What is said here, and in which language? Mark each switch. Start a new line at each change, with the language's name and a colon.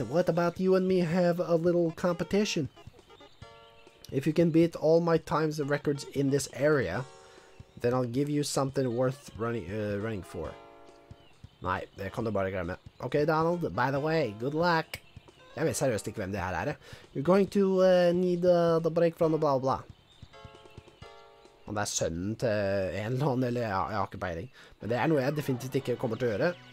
English: What about you and me have a little competition? If you can beat all my times and records in this area, then I'll give you something worth running for.
Norwegian: Nei, det kan du bare glemme. Ok, Donald,
English: by the way, good luck.
Norwegian: Jeg vet seriøst ikke hvem det her er.
English: You're going to need the break from the blah blah blah.
Norwegian: Om det er sønnen til en eller annen, eller jeg har ikke peiling. Men det er noe jeg definitivt ikke kommer til å gjøre.